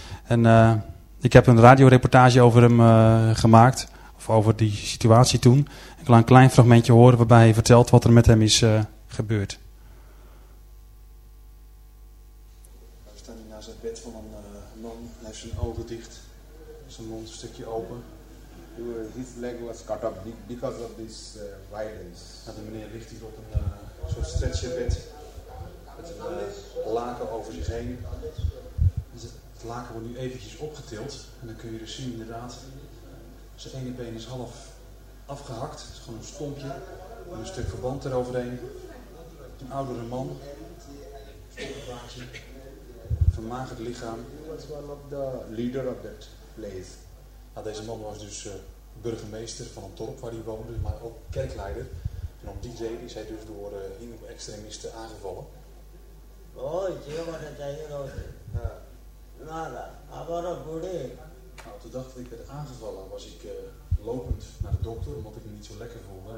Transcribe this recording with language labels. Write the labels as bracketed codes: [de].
[nl] En ik heb een radioreportage over hem gemaakt, of over die situatie toen. Ik laat een klein fragmentje horen waarbij hij vertelt wat er met hem is gebeurd. Hij staat nu naast het bed van een man, hij heeft zijn ogen dicht, zijn mond een stukje open. [en] His leg was cut up because of this violence. [nl] En de meneer ligt hier op een soort stretcherbed. Met een laken over zich heen. En Het laken wordt nu eventjes opgetild. En dan kun je dus zien inderdaad, zijn ene been is half afgehakt. Het is gewoon een stompje. En een stuk verband eroverheen. Een oudere man. Vermagerd lichaam. Hij [en] was one of the leader of that place. [nl] Nou, deze man was dus burgemeester van een dorp waar hij woonde, maar ook kerkleider. En om die reden is hij dus door hindoe-extremisten aangevallen. Oh, je was het eigenlijk ook. Nou, toen dacht ik werd aangevallen, was ik lopend naar de dokter, omdat ik me niet zo lekker voelde.